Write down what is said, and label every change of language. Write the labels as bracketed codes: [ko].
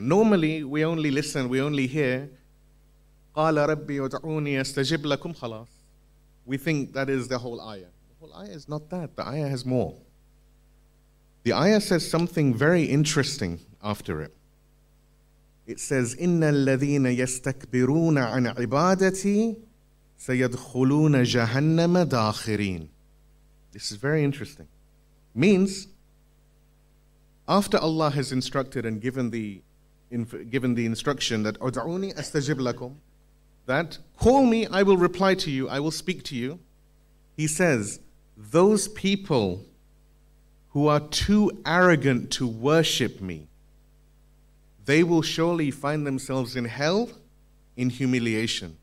[en] Normally, we only listen, we only hear, [ar] قَالَ رَبِّي وَدْعُونِي أَسْتَجِبْ لَكُمْ خَلَاصٍ. [en] We think that is the whole ayah. The whole ayah is not that, the ayah has more. The ayah says something very interesting after it. It says, [ar] إِنَّ الَّذِينَ يَسْتَكْبِرُونَ عَنْ عِبَادَتِي سَيَدْخُلُونَ جَهَنَّمَ دَاخِرِينَ. [en] This is very interesting. Means, after Allah has instructed and given the instruction that [ar] أَدْعُونِي أَسْتَجِبْ لَكُمْ, [en] that call me, I will reply to you, I will speak to you. He says, those people who are too arrogant to worship me, they will surely find themselves in hell, in humiliation.